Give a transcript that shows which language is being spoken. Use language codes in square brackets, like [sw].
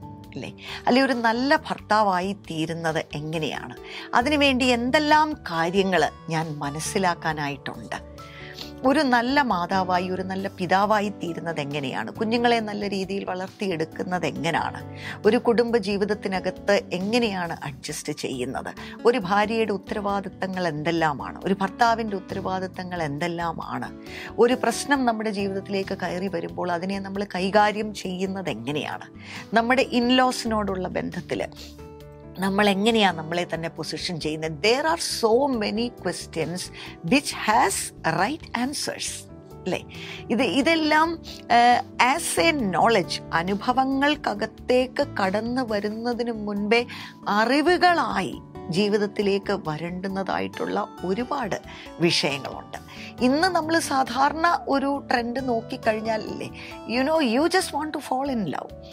[ml] അല്ലേ, അല്ലെ ഒരു നല്ല ഭർത്താവായി തീരുന്നത് എങ്ങനെയാണ്, അതിനുവേണ്ടി എന്തെല്ലാം കാര്യങ്ങൾ ഞാൻ മനസ്സിലാക്കാനായിട്ടുണ്ട്, ഒരു നല്ല മാതാവായി ഒരു നല്ല പിതാവായി തീരുന്നത് എങ്ങനെയാണ്, കുഞ്ഞുങ്ങളെ നല്ല രീതിയിൽ വളർത്തിയെടുക്കുന്നത് എങ്ങനെയാണ്, ഒരു കുടുംബ ജീവിതത്തിനകത്ത് എങ്ങനെയാണ് അഡ്ജസ്റ്റ് ചെയ്യുന്നത്, ഒരു ഭാര്യയുടെ ഉത്തരവാദിത്തങ്ങൾ എന്തെല്ലാമാണ്, ഒരു ഭർത്താവിൻ്റെ ഉത്തരവാദിത്തങ്ങൾ എന്തെല്ലാമാണ്, ഒരു പ്രശ്നം നമ്മുടെ ജീവിതത്തിലേക്ക് കയറി വരുമ്പോൾ അതിനെ നമ്മൾ കൈകാര്യം ചെയ്യുന്നത് എങ്ങനെയാണ്, നമ്മുടെ ഇൻലോസിനോടുള്ള ബന്ധത്തിൽ നമ്മൾ എങ്ങനെയാണ് നമ്മളെ തന്നെ പൊസിഷൻ ചെയ്യുന്നത്. [en] There are so many questions which has right answers. [ml] അല്ലേ, ഇതെല്ലാം ആസ് എ നോളജ്, അനുഭവങ്ങൾക്കകത്തേക്ക് കടന്നു വരുന്നതിന് മുൻപേ അറിവുകളായി ജീവിതത്തിലേക്ക് വരേണ്ടുന്നതായിട്ടുള്ള ഒരുപാട് വിഷയങ്ങളുണ്ട്. ഇന്ന് നമ്മൾ സാധാരണ ഒരു ട്രെൻഡ് നോക്കിക്കഴിഞ്ഞാൽ അല്ലേ, [en] You know you just want to fall in love.